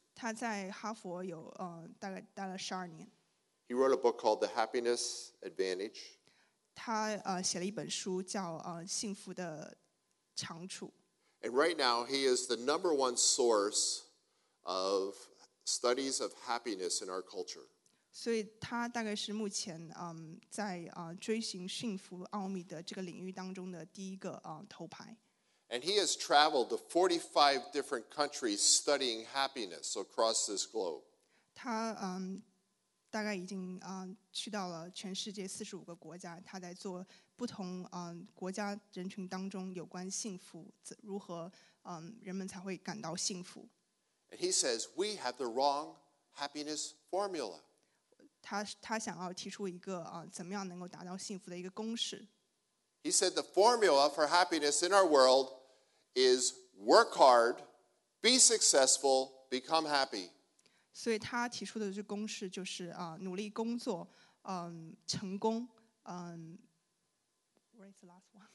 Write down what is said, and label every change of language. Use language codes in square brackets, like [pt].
[zh] 他在哈佛有大概待了12年。 [en] He wrote a book called The Happiness Advantage. [zh] 他写了一本书叫幸福的长处。 [en] And right now, he is the number one source of studies of happiness in our culture. [zh] 所以他大概是目前在追寻幸福奥秘的这个领域当中的第一个头牌。 [en] And he has traveled to 45 different countries studying happiness across this globe. [zh] 他大概已经去到了全世界45个国家，他在做不同国家人群当中有关幸福，如何人们才会感到幸福。 [en] And he says we have the wrong happiness formula. [zh] 他想要提出一个怎么样能够达到幸福的一个公式。 [en] He said the formula for happiness in our world is work hard, be successful, become happy. [zh] 所以他提出的这公式就是努力工作，成功， [en] Where's the last one?